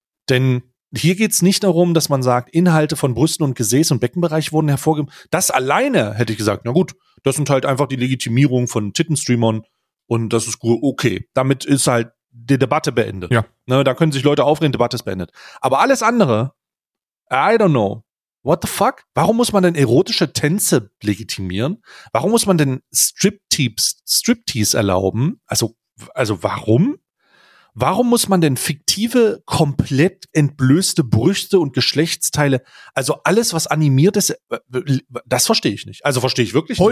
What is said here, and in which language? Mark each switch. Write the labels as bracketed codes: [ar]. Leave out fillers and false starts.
[de] Denn hier geht es nicht darum, dass man sagt, Inhalte von Brüsten und Gesäß und Beckenbereich wurden hervorgehoben. Das alleine hätte ich gesagt, na gut, das sind halt einfach die Legitimierungen von Tittenstreamern und das ist gut, okay. Damit ist halt die Debatte beendet. Ja. Ne, da können sich Leute aufregen, Debatte ist beendet. Aber alles andere, [en] I don't know. What the fuck? [de] Warum muss man denn erotische Tänze legitimieren? Warum muss man denn Striptease erlauben? Also warum? Warum muss man denn fiktive, komplett entblößte Brüste und Geschlechtsteile, also alles, was animiert ist, das verstehe ich nicht. Also verstehe ich wirklich